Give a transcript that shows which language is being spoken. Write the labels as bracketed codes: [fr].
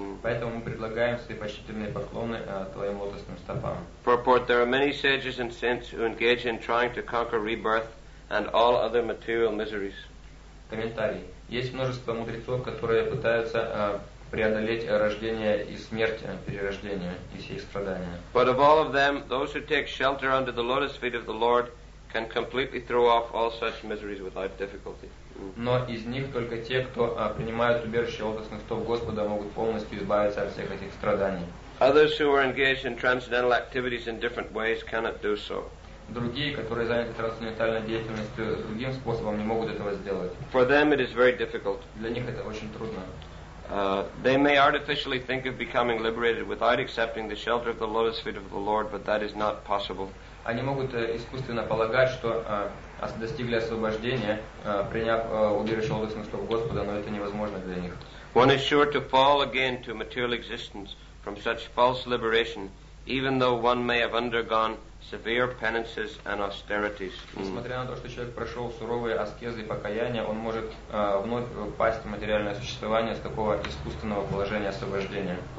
[ru] Поэтому мы предлагаем свои почтительные поклоны твоим лотосным стопам. [en] Purport, there are many sages and saints who engage in trying to conquer rebirth and all other material miseries. [ru] Комментарий. Есть множество мудрецов, которые пытаются преодолеть рождение и смерть, перерождение и все их страдания. [en] But of all of them, those who take shelter under the lotus feet of the Lord can completely throw off all such miseries without difficulty. [ru] Но из них только те, кто принимают убежище лотосных стоп Господа, могут полностью избавиться от всех этих страданий. [en] Others who are engaged in transcendental activities in different ways cannot do so. [ru] Другие, которые заняты трансцендентальной деятельностью другим способом, не могут этого сделать. [en] For them it is very difficult. [ru] Для них это очень трудно. [en] They may artificially think of becoming liberated without accepting the shelter of the lotus feet of the Lord, but that is not possible. [ru] Они могут искусственно полагать, что достигли освобождения, приняв убежище лотосных стоп Господа, но это невозможно для них. [en] One is sure to fall again to material existence from such false liberation, even though one may have undergone severe penances and austerities. [ru] Несмотря на то, что человек прошел суровые аскезы и покаяния, он может вновь впасть в материальное существование с такого искусственного положения освобождения.